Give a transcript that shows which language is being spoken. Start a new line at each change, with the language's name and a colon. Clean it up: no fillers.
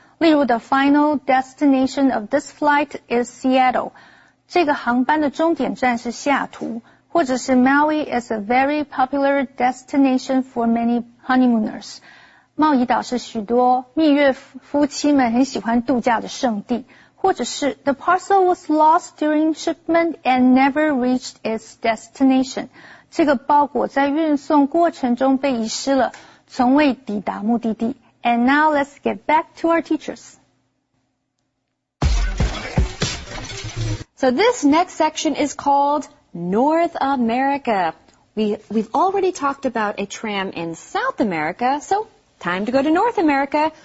Chinese: 例如
English: the final destination of this flight is Seattle，
Chinese: 这个航班的终点站是西雅图， 或者是
English: Maui is a very popular destination for many honeymooners，
Chinese: 贸易岛是许多蜜月夫妻们很喜欢度假的圣地，或者是
English: The parcel was lost during shipment and never reached its destination.
Chinese: 这个包裹在运送过程中被遗失了，从未抵达目的地。
English: And now let's get back to our teachers. So this next section is called North America. We've already talked about a tram in South America, so time to go to North America.